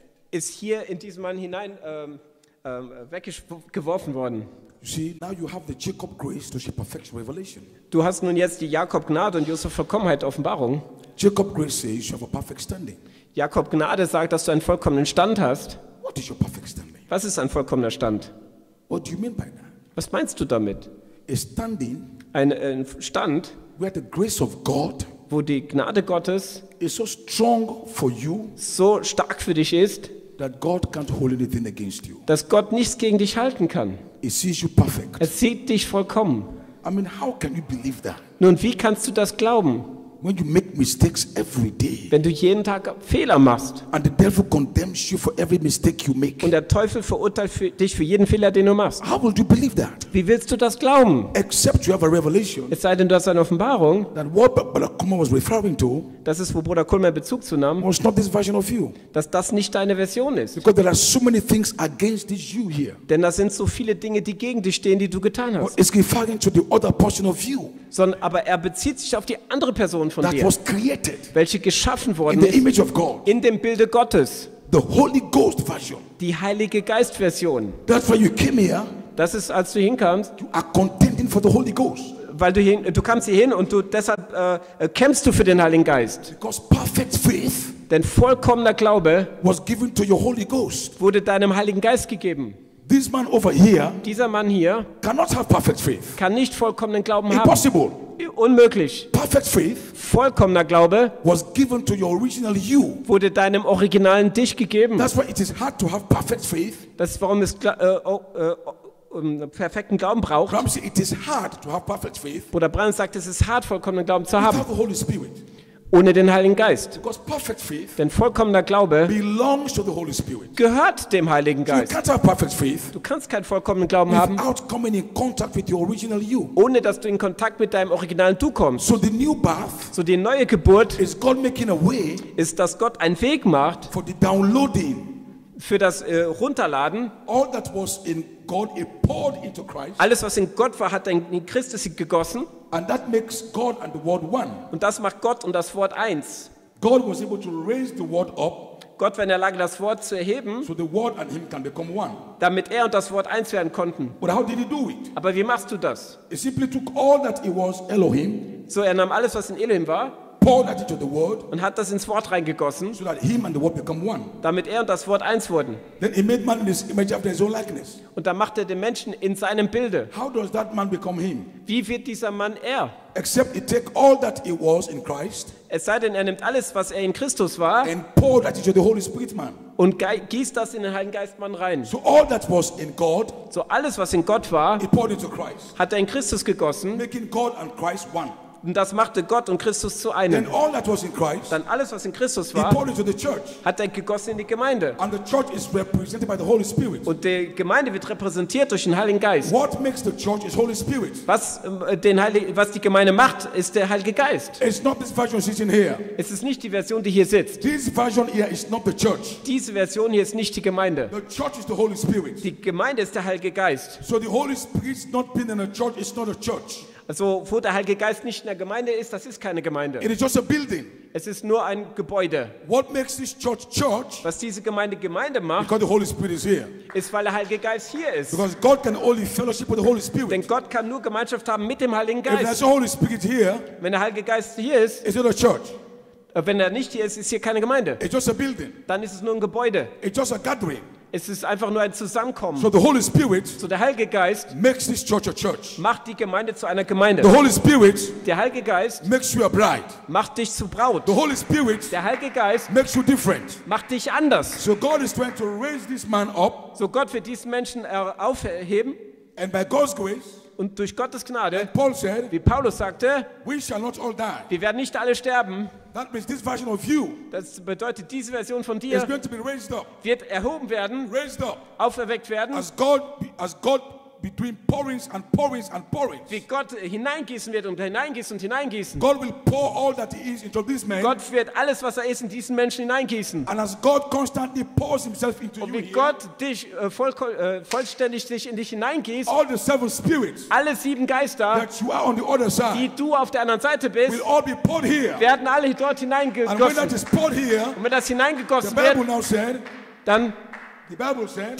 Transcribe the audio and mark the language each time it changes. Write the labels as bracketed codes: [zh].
[de] Ist hier in diesen Mann hinein weggeworfen worden. [en] You see, now you have the Jacob grace to see perfection revelation. [de] Du hast nun jetzt die Jakob Gnade und Josef Vollkommenheit Offenbarung. [en] Jacob grace says you have a perfect standing. [de] Jakob Gnade sagt, dass du einen vollkommenen Stand hast. [en] What is your perfect standing? [de] Was ist ein vollkommener Stand? [en] What do you mean by that? [de] Was meinst du damit? [en] A standing. [de] Ein Stand, [en] where the grace of God, [de] wo die Gnade Gottes [en] is so strong for you, [de] so stark für dich ist, [en] that God can't hold anything against you. [de] Dass Gott nichts gegen dich halten kann. [en] He sees you perfect. [de] Er sieht dich vollkommen. [en] I mean, how can you believe that? [de] Nun, wie kannst du das glauben? [en] When you make mistakes every day, [de] wenn du jeden Tag Fehler machst, [en] and the devil condemns you for every mistake you make, [de] und der Teufel verurteilt dich für jeden Fehler, den du machst, [en] how will you believe that? [de] Wie willst du das glauben? [en] Except you have a revelation, [de] es sei denn, du hast eine Offenbarung, [en] that what Brother Kulmer was referring to, [de] das ist, wo Bruder Kulmer Bezug zu nahm, [en] was not this version of you, [de] dass das nicht deine Version ist, [en] because there are so many things against this you here, [de] denn da sind so viele Dinge, die gegen dich stehen, die du getan hast. [en] But it's referring to the other portion of you. [de] Sondern, aber er bezieht sich auf die andere Person von [en] that [de] dir, [en] was created, [de] welche geschaffen worden [en] in the [de] ist [en] image of God, [de] in dem Bilde Gottes, [en] the Holy Ghost version, [de] die Heilige Geist-Version. [en] That's why you came here, [de] das ist, als du hinkamst, [en] you are contending for the Holy Ghost, [de] weil du kamst hier hin und du deshalb kämpfst du für den Heiligen Geist. [en] Because perfect faith, [de] denn vollkommener Glaube [en] was given to your Holy Ghost, [de] wurde deinem Heiligen Geist gegeben. [en] This man over here, [de] dieser Mann hier, [en] cannot have perfect faith, [de] kann nicht vollkommenen Glauben [en] impossible [de] haben. Unmöglich. [en] Perfect faith, [de] vollkommener Glaube, [en] was given to your original you, [de] wurde deinem originalen dich gegeben. [en] That's why it is hard to have perfect faith, [de] das ist, warum es perfekten Glauben braucht. [en] Ramsey, it is hard to have perfect faith, [de] Bruder Brandt sagt, es ist hart, vollkommenen Glauben zu haben, [en] without the Holy Spirit, [de] ohne den Heiligen Geist. [en] Because perfect faith, [de] denn vollkommener Glaube [en] belongs to the Holy Spirit, [de] gehört dem Heiligen Geist. [en] So you can't have perfect faith, [de] du kannst keinen vollkommenen Glauben haben, [en] without coming in contact with the original you, [de] ohne dass du in Kontakt mit deinem originalen Du kommst. [en] So the new birth, [de] so die neue Geburt [en] is God making a way, [de] ist, dass Gott einen Weg macht [en] for the downloading, [de] für das Runterladen. [en] All that was in God, it poured into Christ, [de] alles, was in Gott war, hat in Christus gegossen. [en] And that makes God and the Word one. [de] Und das macht Gott und das Wort eins. [en] God was able to raise the Word up. [de] Gott war in der Lage, das Wort zu erheben. [en] So the Word and Him can become one. [de] Damit er und das Wort eins werden konnten. [en] But how did He do it? [de] Aber wie machst du das? [en] He simply took all that He was Elohim. [de] So er nahm alles, was in Elohim war. [en] Poured that into the Word. [de] Und hat das ins Wort reingegossen. [en] So that Him and the Word become one. [de] Damit er und das Wort eins wurden. [en] Then He made man in His image after His own likeness. [de] Und dann macht er den Menschen in seinem Bilde. [en] How does that man become Him? [de] Wie wird dieser Mann er? [en] Except he take all that he was in Christ, [de] es sei denn, er nimmt alles, was er in Christus war, [en] and pour that into the Holy Spirit man, [de] und gießt das in den Heiligen Geist Mann rein. [en] So all that was in God, [de] so alles, was in Gott war, [en] he poured into Christ, [de] hat er in Christus gegossen, [en] making God and Christ one. [de] Und das machte Gott und Christus zu einem. [en] Then all that was in Christ, [de] dann alles, was in Christus war, [en] he poured into the church, [de] hat er gegossen in die Gemeinde. [en] And the church is represented by the Holy Spirit. [de] Und die Gemeinde wird repräsentiert durch den Heiligen Geist. [en] What makes the church is Holy Spirit. [de] Was die Gemeinde macht, ist der Heilige Geist. [en] It's not this version sitting here. [de] Es ist nicht die Version, die hier sitzt. [en] This version here is not the church. [de] Diese Version hier ist nicht die Gemeinde. [en] The church is the Holy Spirit. [de] Die Gemeinde ist der Heilige Geist. [en] So the Holy Spirit not being in a church is not a church. [de] Also, wo der Heilige Geist nicht in der Gemeinde ist, das ist keine Gemeinde. [en] It is just a building. [de] Es ist nur ein Gebäude. [en] What makes this church church? [de] Was diese Gemeinde Gemeinde macht? [en] Because the Holy Spirit is here. [de] Ist, weil der Heilige Geist hier ist. [en] Because God can only fellowship with the Holy Spirit. [de] Denn Gott kann nur Gemeinschaft haben mit dem Heiligen Geist. [en] If there's a Holy Spirit here, [de] wenn der Heilige Geist hier ist, [en] it's not a church. [de] Wenn er nicht hier ist, ist hier keine Gemeinde. [en] It's just a building. [de] Dann ist es nur ein Gebäude. [en] It's just a gathering. [de] Es ist einfach nur ein Zusammenkommen. [en] So the Holy Spirit, [de] so der Heilige Geist, [en] makes this church a church. [de] Macht die Gemeinde zu einer Gemeinde. [en] The Holy Spirit, [de] der Heilige Geist, [en] makes you a bride. [de] Macht dich zu Braut. [en] The Holy Spirit, [de] der Heilige Geist, [en] makes you different. [de] Macht dich anders. [en] So God is trying to raise this man up. [de] So Gott wird diesen Menschen aufheben. [en] And by God's grace, [de] und durch Gottes Gnade, [en] and Paul said, [de] wie Paulus sagte, [en] we shall not all die. [de] Wir werden nicht alle sterben. [en] That means this version of you, [de] das bedeutet, diese Version von dir [en] is going to be raised up, [de] wird erhoben werden, [en] raised up, [de] auferweckt werden, [en] as God between pourings and pourings and pourings. [de] Wie Gott hineingießen wird und hineingießen und hineingießen. [en] God will pour all that He is into this man. [de] Gott wird alles, was er ist, in diesen Menschen hineingießen. [en] And as God constantly pours Himself into you. [de] Und wie Gott dich vollständig sich in dich hineingießt. [en] All the seven spirits. [de] Alle sieben Geister. [en] That you are on the other side. [de] Die du auf der anderen Seite bist. [en] Will all be poured here. [de] Werden alle dort hineingegossen. [en] And when that is poured here. [de] Und wenn das hineingegossen wird. [en] The Bible now said. [de] Dann [en] the Bible said,